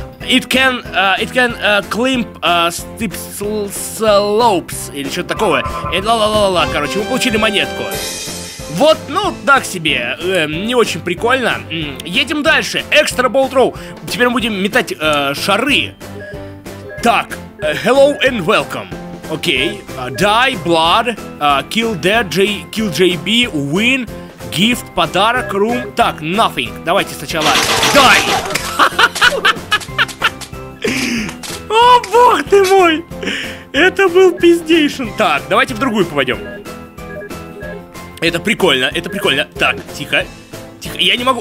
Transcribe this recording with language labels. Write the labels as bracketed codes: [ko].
[en] It can climb steep slopes [ru] или что-то такое. Ла-ла-ла-ла-ла. Короче, мы получили монетку. Вот, ну, так себе. Не очень прикольно. Едем дальше. [en] Extra ball throw. [ru] Теперь мы будем метать шары. [en] Так. Hello and welcome. Окей. Die, blood, kill dead, kill JB, win, gift, подарок, room. [ru] Так, nothing. Давайте сначала. Die! О, бог ты мой! Это был пиздейшн. Так, давайте в другую попадем. Это прикольно. Так, тихо. Я не могу.